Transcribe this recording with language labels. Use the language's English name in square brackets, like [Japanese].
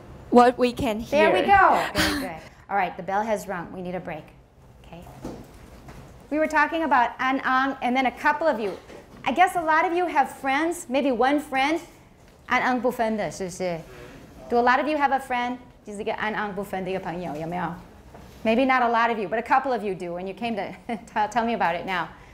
[English] What we can hear. There we go. Very good. All right, the bell has rung. We need a break, okay? We were talking about an-ang and then a couple of you. I guess a lot of you have friends, maybe one friend, [Chinese] 安安不分的是不是? [English] Do a lot of you have a friend? [Chinese] 就是一个安安不分的一个朋友有没有? [English] Maybe not a lot of you, but a couple of you do, and you came to tell me about it now.